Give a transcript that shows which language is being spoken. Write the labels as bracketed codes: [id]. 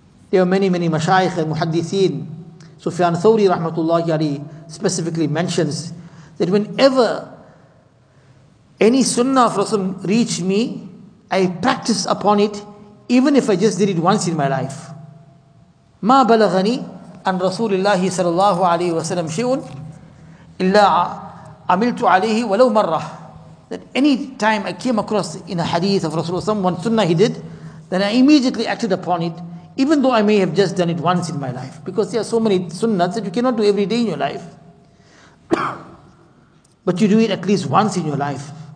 [en] There are many, many mashayikh and muhaddithin. Sufyan Thawri rahmatullahi alayhi specifically mentions that whenever any sunnah of Rasul reached me, I practice upon it, even if I just did it once in my life. [ar] ما بلغني عن رسول الله صلى الله عليه وسلم شيء إلا عملت عليه ولو مرة. [en] That any time I came across in a hadith of Rasulullah [ar] صلى الله عليه وسلم, [en] one sunnah he did, then I immediately acted upon it, even though I may have just done it once in my life. Because there are so many sunnahs that you cannot do every day in your life. But you do it at least once in your life.